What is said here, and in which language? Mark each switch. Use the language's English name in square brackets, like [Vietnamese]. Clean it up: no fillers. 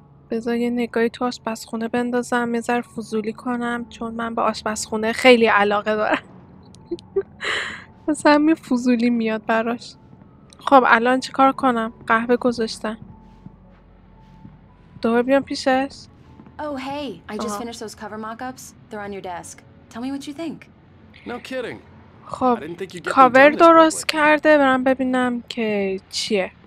[Persian] بذار یه نگاهی تو آشپزخونه بندازم، یه ظرف فضولی کنم چون من به آشپزخونه خیلی علاقه دارم. مثلا می فضولی میاد براش. خب الان چی کار کنم؟ قهوه گذاشتم. دوباره بیام پیشش. [English] Oh hey, I just finished those cover mock-ups. They're on your desk. Tell me what you think. No kidding. [Persian] خب کاور درست کرده، برم ببینم که چیه.